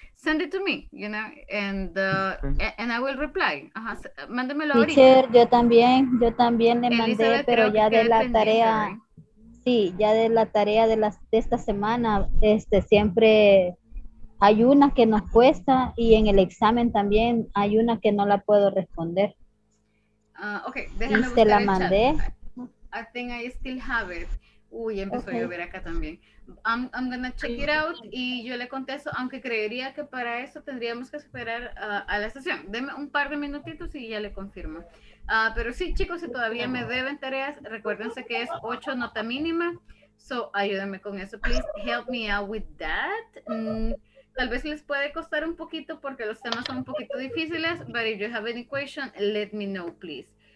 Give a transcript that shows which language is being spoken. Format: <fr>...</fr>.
<en>Send it to me, you know, and I will reply.</en> <es>Ajá, mándemelo ahorita. Teacher, yo también le mandé, pero ya de la tarea, sí, ya de la tarea de esta semana, siempre hay una que nos cuesta y en el examen también hay una que no la puedo responder. Ok, déjame buscar. Y se la mandé.</es> <en>I think I still have it.</en> <es>Uy, empezó a llover acá también.</es> <en>I'm gonna check it out</en> <es>y yo le contesto, aunque creería que para eso tendríamos que esperar a la sesión. Deme un par de minutitos y ya le confirmo. Pero sí, chicos, si todavía me deben tareas, recuérdense que es 8 nota mínima.</es> <en>So,</en> <es>ayúdenme con eso.</es> <en>Please help me out with that.</en> <es>Tal vez les puede costar un poquito porque los temas son un poquito difíciles.</es> <en>But if you have any question, let me know, please.</en>